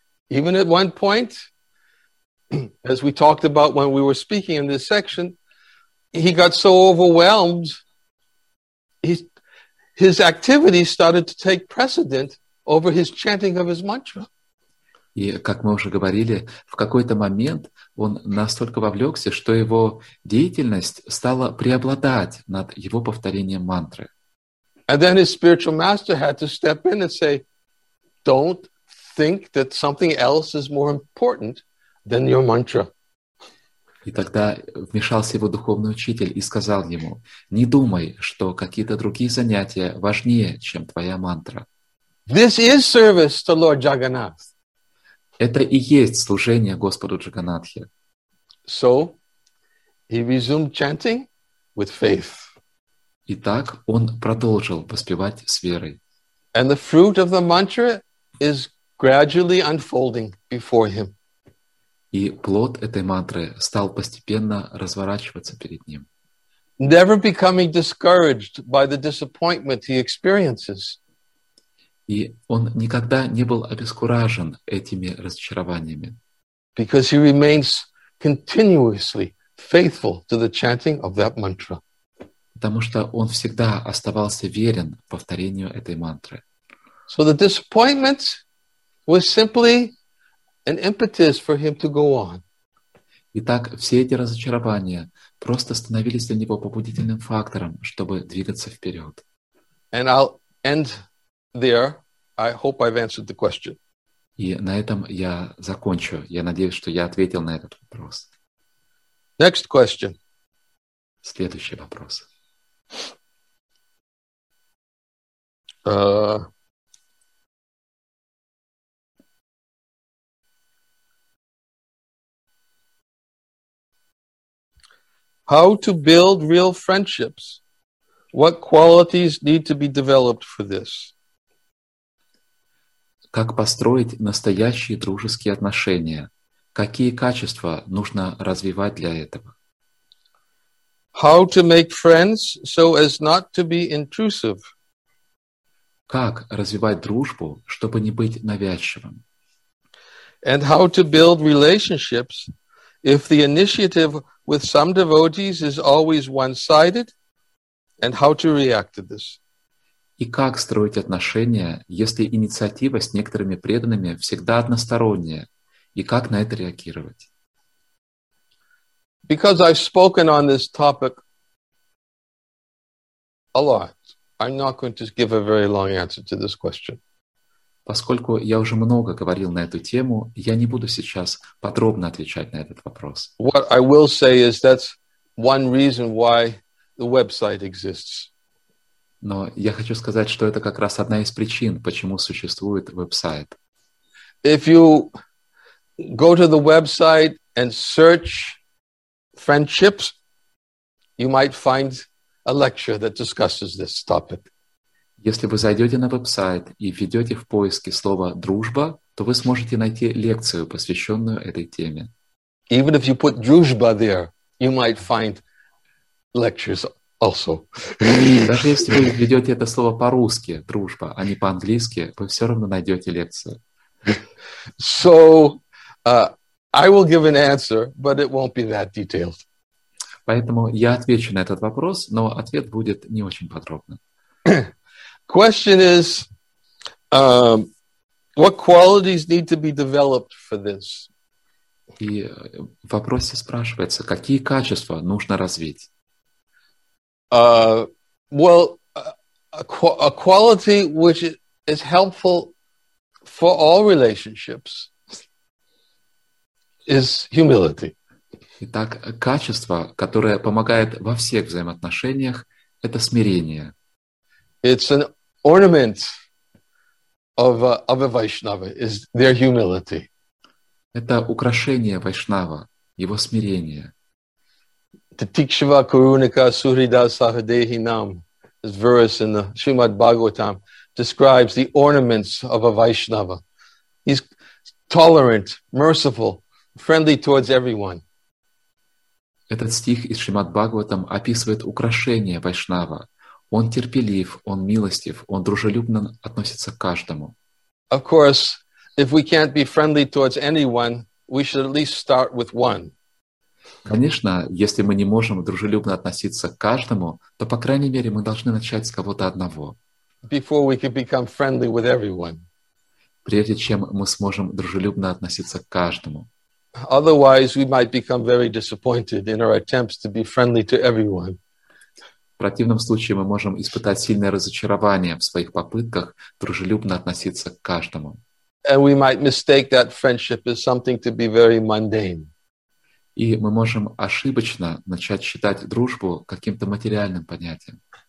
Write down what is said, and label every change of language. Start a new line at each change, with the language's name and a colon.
English: Even at one point, as we talked about when we were speaking in this section, he got so overwhelmed, his activity started to take precedent over his chanting of his mantra.
Russian: И, как мы уже говорили, в какой-то момент он настолько вовлекся, что его деятельность стала преобладать над его повторением мантры.
English: And then his spiritual master had to step in and say, don't think that something else is more important than your mantra.
Russian: И тогда вмешался его духовный учитель и сказал ему: «Не думай, что какие-то другие занятия важнее, чем твоя мантра».
English: This is service to Lord Jagannath.
Russian: Это и есть служение Господу Джаганатхе.
English: So he resumed chanting with faith.
Russian: Итак, он продолжил воспевать с верой.
English: And the fruit of the mantra is gradually unfolding before him.
Russian: И плод этой мантры стал постепенно разворачиваться перед ним.
English: Never becoming discouraged by the disappointment he experiences.
Russian: И он никогда не был обескуражен этими разочарованиями.
English: Because he remains continuously faithful to the chanting of that mantra.
Russian: Потому что он всегда оставался верен повторению этой мантры.
English: So the disappointment was simply an impetus for him to go on.
Russian: Итак, все эти разочарования просто становились для него побудительным фактором, чтобы двигаться вперед.
English: And I'll end there. I hope I've answered the question.
Russian: И на этом я закончу. Я надеюсь, что я ответил на этот вопрос.
English: Next question.
Russian: Следующий вопрос.
English: How to build real friendships? What qualities need to be developed for this?
Russian: Как построить настоящие дружеские отношения? Какие качества нужно развивать для этого?
English: How to make friends so as not to be intrusive?
Russian: Как развивать дружбу, чтобы не быть навязчивым?
English: And how to build relationships if the initiative with some devotees is always one-sided, and how to react to this?
Russian: И как строить отношения, если инициатива с некоторыми преданными всегда односторонняя, и как на это реагировать?
English: Because I've spoken on this topic a lot, I'm not going to give a very long answer to this question.
Russian: Поскольку я уже много говорил на эту тему, я не буду сейчас подробно отвечать на этот вопрос.
English: What I will say is that's one reason why the website exists.
Russian: Но я хочу сказать, что это как раз одна из причин, почему существует веб-сайт.
English: If you go to the website and search friendships, you might find a lecture that discusses this topic.
Russian: Если вы зайдете на веб-сайт и введете в поиске слово «дружба», то вы сможете найти лекцию, посвященную этой теме.
English: Even if you put «дружба» there, you might find lectures also.
Russian: Даже если вы введете это слово по-русски «дружба», а не по-английски, вы все равно найдете лекцию.
English: So, I will give an answer, but it won't be that detailed.
Russian: Поэтому я отвечу на этот вопрос, но ответ будет не очень подробным.
English: Question is, what qualities need to be developed for this?
Russian: И в вопросе спрашивается, какие качества нужно развить?
English: Well, a quality which is helpful for all relationships is humility.
Russian: Итак, качество, которое помогает во всех взаимоотношениях, это смирение.
English: It's an ornament of a Vaishnava is their humility.
Russian: Это украшение Вайшнава, его смирение.
Sanskrit: Tatikshva Karunika Suhridas Sahadehi Nam,
English: this verse in the Srimad Bhagavatam describes the ornaments of a Vaishnava. He's tolerant, merciful, friendly towards everyone.
Russian: Этот стих из Шримад Бхагаватам описывает украшение Вайшнава. Он терпелив, он милостив, он дружелюбно относится к каждому.
English: Of course, if we can't be friendly towards anyone, we should at least start with one.
Russian: Конечно, если мы не можем дружелюбно относиться к каждому, то, по крайней мере, мы должны начать с кого-то одного.
English: Before we can become friendly with everyone.
Russian: Прежде чем мы сможем дружелюбно относиться к каждому.
English: Otherwise, we might become very disappointed in our attempts to be friendly to everyone.
Russian: В противном случае мы можем испытать сильное разочарование в своих попытках дружелюбно относиться к каждому.
English: And we might mistake that friendship as something to be very mundane.
Russian: И мы можем ошибочно начать считать дружбу каким-то материальным понятием.